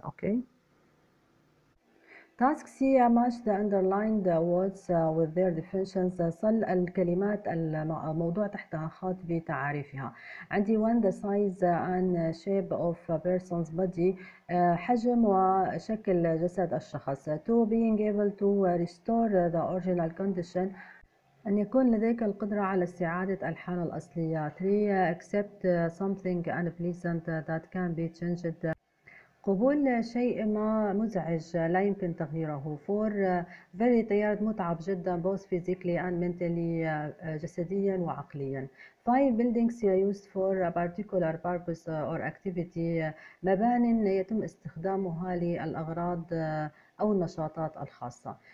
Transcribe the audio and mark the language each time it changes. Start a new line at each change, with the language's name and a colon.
English: okay, Task C، match the underlined words with their definitions،
Arabic: صل الكلمات الموضوع تحتها خط بتعاريفها.
English: عندي one the size and shape of a person's body،
Arabic: حجم وشكل جسد الشخص.
English: Two being able to restore the original condition،
Arabic: أن يكون لديك القدرة على استعادة الحالة الأصلية.
English: Three accept something unpleasant that can be changed.
Arabic: قبول شيء ما مزعج لا يمكن تغييره.
English: For very tired
Arabic: متعب جدا
English: both physically and mentally
Arabic: جسديا وعقليا.
English: Five buildings are used for a particular purpose or activity.
Arabic: مبان يتم استخدامها للأغراض أو النشاطات الخاصة.